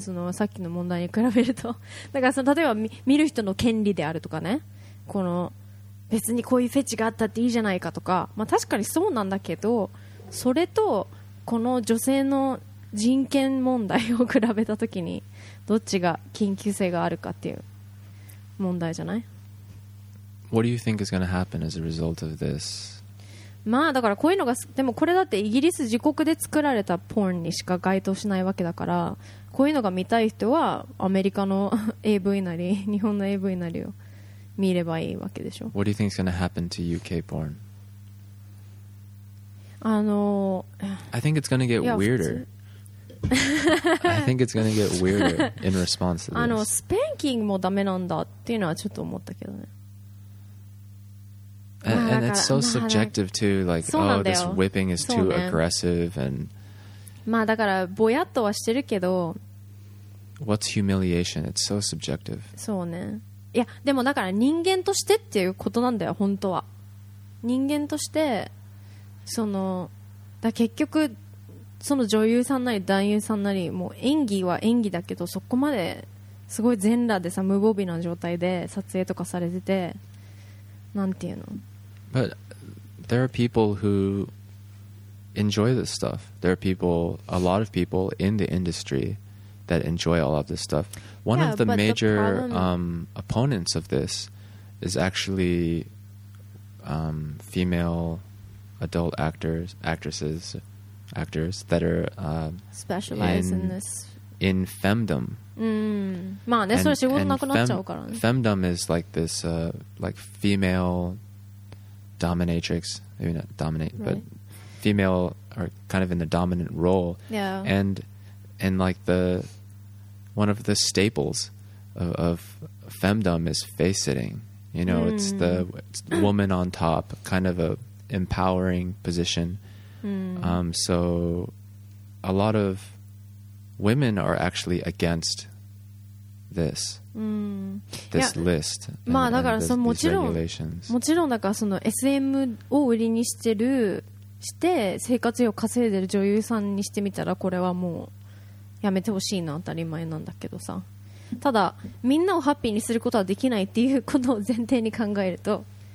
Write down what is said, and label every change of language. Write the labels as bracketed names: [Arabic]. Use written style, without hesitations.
[Japanese] そのさっきの問題に比べると、だからその例えば見る人の権利であるとかね、この別にこういうフェチがあったっていいじゃないかとか、まあ確かにそうなんだけど、それとこの女性の人権問題を比べたときに、どっちが緊急性があるかっていう問題じゃない？ [English] What do you think is going to happen as a result of this? [Japanese] まあだからこういうのが、でもこれだってイギリス自国で作られたポーンにしか該当しないわけだから、こういうのが見たい人はアメリカの AV なり日本の AV なりを見ればいいわけでしょ。 [English] What do you think is going to happen to UK porn? I think it's going to get weirder. I think it's going to get weirder in response to this. [Japanese] あのスパンキングもダメなんだっていうのはちょっと思ったけどね。 [English] And it's so subjective too, like, oh, this whipping is too aggressive, and... [Japanese] まあだからぼやっとはしてるけど、 [English] What's humiliation? It's so subjective. [Japanese] そうね。いやでもだから人間としてっていうことなんだよ本当は。人間としてそのだ結局その女優さんなり男優さんなりもう演技は演技だけどそこまですごい全裸でさ無防備な状態で撮影とかされててなんていうの。 [English] But there are people who enjoy this stuff. There are people, a lot of people in the industry. That enjoy all of this stuff. One of the major opponents of this is actually female adult actors, actresses, actors that are specialized in this in femdom. [Japanese] まあね、それ仕事なくなっちゃうからね。 [English] Femdom is like this, like female dominatrix, maybe not dominate, but female are kind of in the dominant role. Yeah, and like the One of the staples of femdom is face sitting. You know, it's the woman on top, kind of a empowering position. So a lot of women are actually against this, this list and, まあ、 and this, these regulations. [Japanese] もちろんだからその SM を売りにしてる、して生活費を稼いでる女優さんにしてみたらこれはもうやめてほしいな当たり前なんだけどさただみんなをハッピーにすることはできないっていうことを前提に考えると、